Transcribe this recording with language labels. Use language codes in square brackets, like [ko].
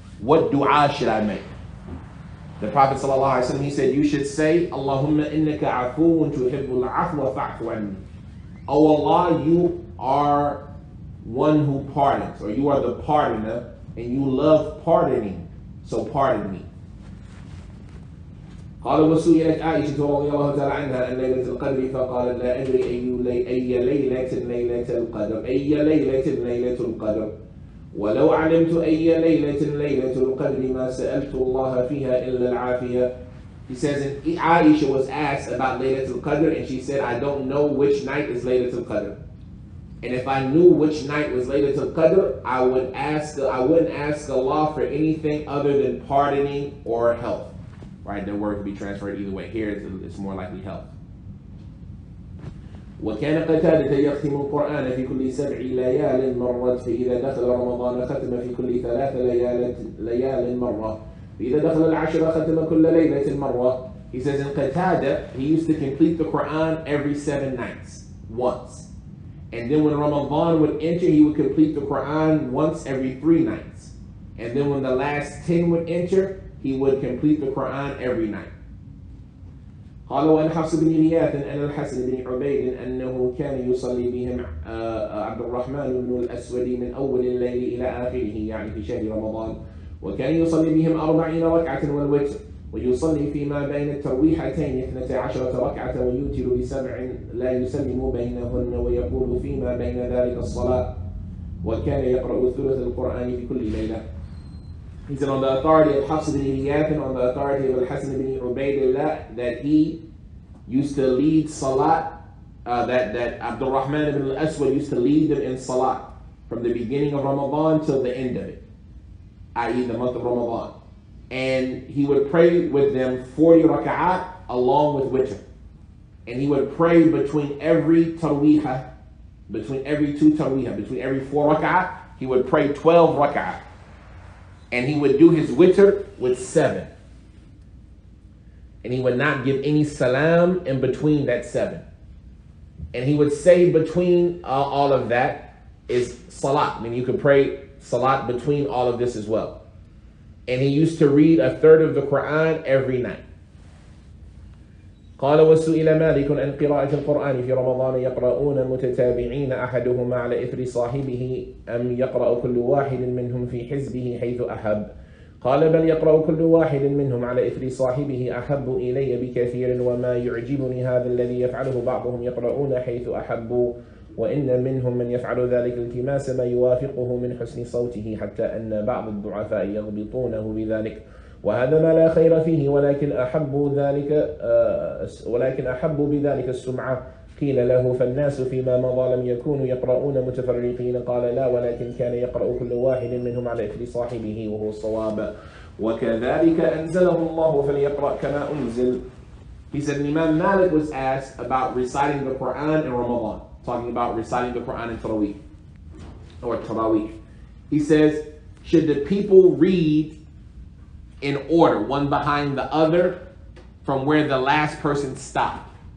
[en] What dua should I make? The Prophet sallallahu alayhi wa sallam, he said, you should say, [ar] Allahumma innaka afuun tuhibbul afwa fa'fu anni. [en] Oh Allah, you are one who pardons, or you are the pardoner, and you love pardoning, so pardon me. [ar] قال وسئلت عائشة رضي الله تعالى عنها عن ليلة القدر فقالت لا أدري أي ليلة ليلة القدر أي ليلة ليلة القدر ولو علمت أي ليلة ليلة القدر ما سألت الله فيها إلا العافية. [en] He says, and Aisha was asked about Laylatul Qadr, and she said, I don't know which night is Laylatul Qadr. And if I knew which night was Laylatul Qadr, I wouldn't ask Allah for anything other than pardoning or health. Right? The word could be transferred either way. Here, it's more likely health. [ar] وَكَانَ قَتَادَةَ يَخْتِمُ الْقُرْآنَ فِي كُلِّ سَبْعِ لَيَالٍ مَرَّةٍ فَإِذَا دَخَلَ رَمَضَانَ خَتَمَ فِي كُلِّ ثَلَاثَ لَيَالٍ مَرَّةٍ فَإِذَا دَخَلَ الْعَشْرَ خَتَمَ كُلَّ لَيْلَةٍ مَرَّةٍ. [en] He says, in Qatada, he used to complete the Quran every 7 nights, once. And then when Ramadan would enter, he would complete the Quran once every 3 nights. And then when the last 10 would enter, he would complete the Quran every night. [ar] قال وأنحفص بن إياث أن الحسن بن عبيد أنه كان يصلي بهم عبد الرحمن بن الأسود من أول الليل إلى آخره يعني في شهر رمضان وكان يصلي بهم 40 ركعة والوتر ويصلي فيما بين الترويحتين 12 ركعة ويوتر بسبع لا يسلم بينهن ويقول فيما بين ذلك الصلاة وكان يقرأ ثلث القرآن في كل ليلة. [en] He said, on the authority of Hafs ibn Iyath and on the authority of al-Hasan ibn Ubaidillah, that he used to lead Salat, that Abdul Rahman ibn al-Aswad used to lead them in Salat from the beginning of Ramadan till the end of it, i.e. the month of Ramadan. And he would pray with them 40 raka'at along with witr. And he would pray between every tarwiha, between every two tarwiha, between every 4 raka'at, he would pray 12 raka'at. And he would do his witr with 7. And he would not give any salam in between that 7. And he would say between all of that is salat. I mean, you could pray salat between all of this as well. And he used to read a third of the Quran every night. [ar] قال وسئل مالك عن قراءة القرآن في رمضان يقرؤون متتابعين أحدهما على إثر صاحبه أم يقرأ كل واحد منهم في حزبه حيث أحب قال بل يقرأ كل واحد منهم على إثر صاحبه أحب إلي بكثير وما يعجبني هذا الذي يفعله بعضهم يقرؤون حيث أحب وإن منهم من يفعل ذلك التماس ما يوافقه من حسن صوته حتى أن بعض الضعفاء يغبطونه بذلك وهذا ما لا خير فيه ولكن أحب ذلك ولكن أحب بذلك السمعة قيل له فالناس فيما مضى لم يكونوا يقرؤون متفرقين قال لا ولكن كان يقرأ كل واحد منهم على إثر صاحبه وهو الصواب وكذلك أنزله الله فليقرأ كما أنزل. [en] He said Imam Malik was asked about reciting the Quran in Ramadan, talking about reciting the Quran in Taraweeh or Taraweeh. He says, should the people read in order, one behind the other, from where the last person stopped?